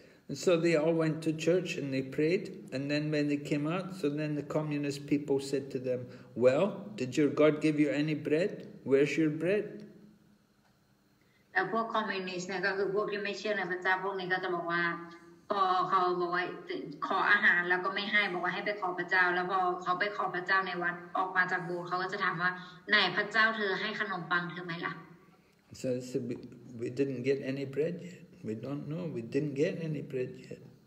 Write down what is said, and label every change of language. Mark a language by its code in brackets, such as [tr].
[en] And so they all went to church and they prayed and then when they came out so then the communist people said to them well did your God give you any bread where's your bread [th] แล้วพวกคอมมิวนิสต์เนี่ยก็คือพวกที่ไม่เชื่อในพระเจ้าพวกนี้ก็จะบอกว่าพอเขาบอกว่าขออาหารแล้วก็ไม่ให้บอกว่าให้ไปขอพระเจ้าแล้วพอเขาไปขอพระเจ้าในวัดออกมาจากโบสถ์เขาก็จะถามว่าไหนพระเจ้าเธอให้ขนมปังเธอไหมล่ะ [en] So they said, we didn't get any bread yet. We don't know. We didn't get any bread yet.